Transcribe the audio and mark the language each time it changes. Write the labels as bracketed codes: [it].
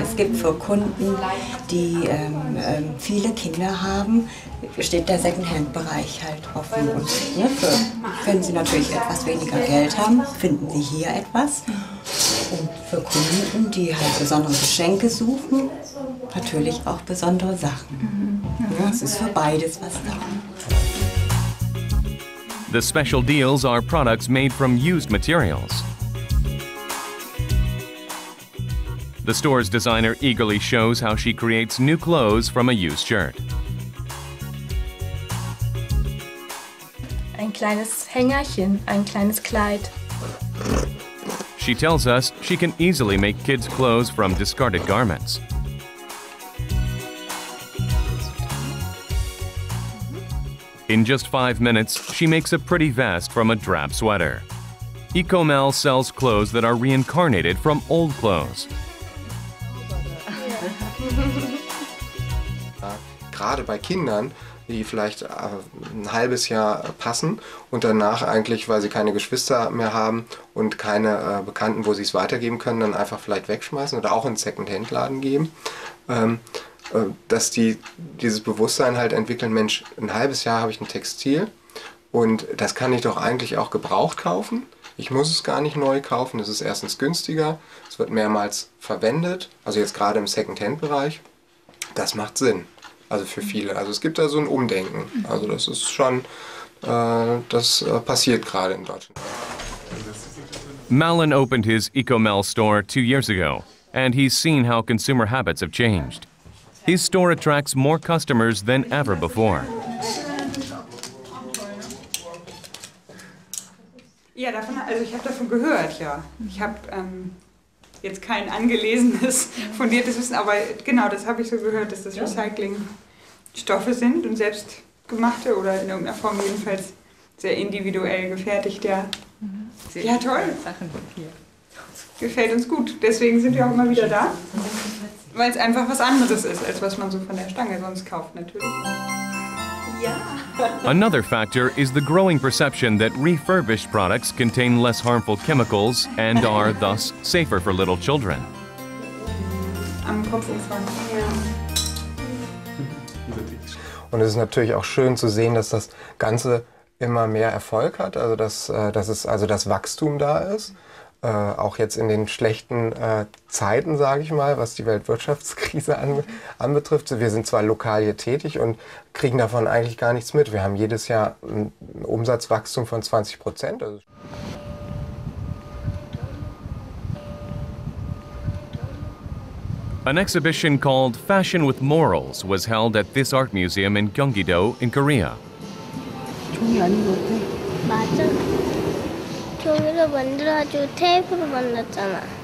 [de] Es gibt für Kunden, die viele Kinder haben, steht der Secondhand-Bereich halt offen. Und ne, für, wenn sie natürlich etwas weniger Geld haben, finden sie hier etwas. Und für Kunden, die halt besondere Geschenke suchen, natürlich auch besondere Sachen. Ja, es ist für beides was da. [en] The special deals are products made from used materials. The store's designer eagerly shows how she creates new clothes from a used shirt. [de] Ein kleines Hängerchen, ein kleines Kleid. [en] She tells us she can easily make kids' clothes from discarded garments. In just 5 minutes, she makes a pretty vest from a drab sweater. Ecomel sells clothes that are reincarnated from old clothes. [de] Gerade bei Kindern, die vielleicht ein halbes Jahr passen und danach eigentlich, weil sie keine Geschwister mehr haben und keine Bekannten, wo sie es weitergeben können, dann einfach vielleicht wegschmeißen oder auch in einen Second-Hand-Laden geben, dass die dieses Bewusstsein halt entwickeln, Mensch, ein halbes Jahr habe ich ein Textil und das kann ich doch eigentlich auch gebraucht kaufen. Ich muss es gar nicht neu kaufen, es ist erstens günstiger, es wird mehrmals verwendet, also jetzt gerade im Second-Hand-Bereich, das macht Sinn. Also für viele. Also es gibt da so ein Umdenken. Also das ist schon, das passiert gerade in Deutschland. [en] Malin opened his Ecomel store 2 years ago and he's seen how consumer habits have changed. His store attracts more customers than ever before. [de] Ja, davon, also ich habe davon gehört, ja. Ich habe jetzt kein angelesenes, fundiertes Wissen, aber genau, das habe ich so gehört, dass das Recycling Stoffe sind und selbstgemachte oder in irgendeiner Form jedenfalls sehr individuell gefertigt, ja. Mhm. Ja, toll. Sachen hier. Gefällt uns gut. Deswegen sind wir auch immer wieder da, weil es einfach was anderes ist, als was man so von der Stange sonst kauft, natürlich. Ja. [en] Another factor is the growing perception that refurbished products contain less harmful chemicals and are thus safer for little children. [de] Am Kopf umfangen. Ja. Und es ist natürlich auch schön zu sehen, dass das Ganze immer mehr Erfolg hat, also dass Wachstum da ist. Auch jetzt in den schlechten Zeiten, sage ich mal, was die Weltwirtschaftskrise anbetrifft. Wir sind zwar lokal hier tätig und kriegen davon eigentlich gar nichts mit. Wir haben jedes Jahr ein Umsatzwachstum von 20%. [en] An exhibition called Fashion with Morals was held at this art museum in Gyeonggi-do in Korea. [ko] 종이 아닌 것 같아. 맞아. 종이로 만들어가지고 테이프로 만들었잖아.